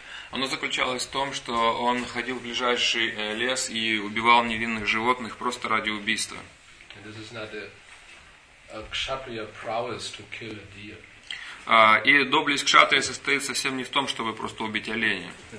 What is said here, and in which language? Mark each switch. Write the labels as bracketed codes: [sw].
[ru] Оно заключалось в том, что он ходил в ближайший лес и убивал невинных животных просто ради убийства. [en] This is not a kshatriya prowess to kill a deer. [ru] И доблесть кшатрия состоит совсем не в том, чтобы просто убить оленя.